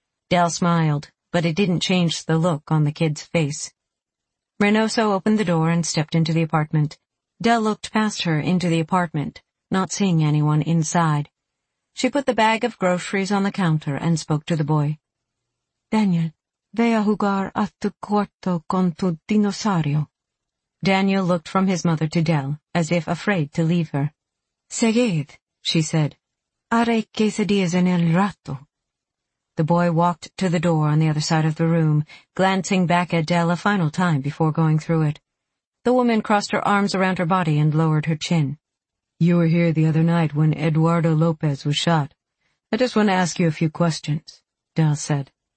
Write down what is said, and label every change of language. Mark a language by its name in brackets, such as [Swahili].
[English] Dell smiled, but it didn't change the look on the kid's face. Reynoso opened the door and stepped into the apartment. Dell looked past her into the apartment, not seeing anyone inside. She put the bag of groceries on the counter and spoke to the boy. [Spanish] Daniel, ve a jugar a tu cuarto con tu dinosaurio. [English] Daniel looked from his mother to Dell, as if afraid to leave her. [Spanish] Seguid, [English] she said. [Spanish] Haré quesadillas en el rato. [English] The boy walked to the door on the other side of the room, glancing back at Dell a final time before going through it. The woman crossed her arms around her body and lowered her chin. You were here the other night when Eduardo Lopez was shot. I just want to ask you a few questions, Dell said.